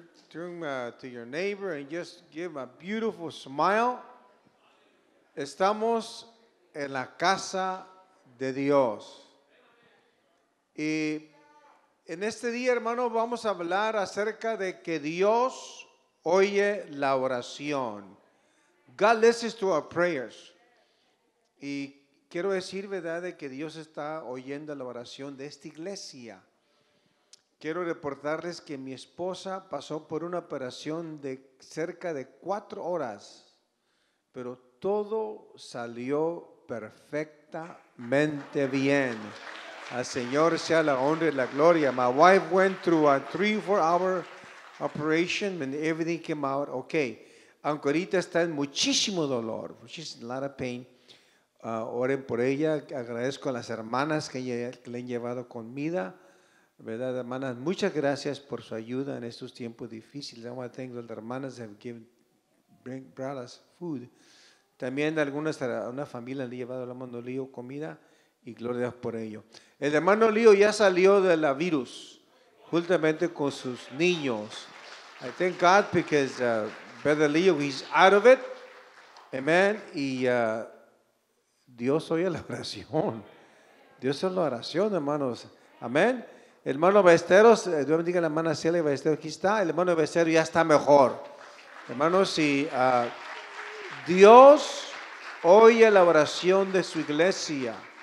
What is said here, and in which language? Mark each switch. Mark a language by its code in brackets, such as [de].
[en] Turn to your neighbor and just give a beautiful smile. [es] Estamos en la casa de Dios. Y en este día, hermano, vamos a hablar acerca de que Dios oye la oración. [en] God listens to our prayers. [es] Y quiero decir, ¿verdad?, de que Dios está oyendo la oración de esta iglesia. Quiero reportarles que mi esposa pasó por una operación de cerca de 4 horas, pero todo salió perfectamente bien. Al Señor sea la honra y la gloria. [en] My wife went through a 3-4 hour operation and everything came out okay. [es] Aunque ahorita está en muchísimo dolor, [en] which is a lot of pain. [es] Oren por ella. Agradezco a las hermanas que le han llevado comida. Verdad, hermanas, muchas gracias por su ayuda en estos tiempos difíciles. [en] I want to thank the hermanas that have brought us food. [es] También algunas, una familia le ha llevado al hermano Leo comida y gloria a Dios por ello. El hermano Leo ya salió de la virus juntamente con sus niños. [en] I thank God because brother Leo is out of it. [es] Amen. Y Dios oye la oración. Dios oye la oración, hermanos. Amén. Hermano Besteros, Dios bendiga a la hermana Celia Besteros, aquí está. El hermano Besteros ya está mejor. Hermanos, y Dios oye la oración de su iglesia.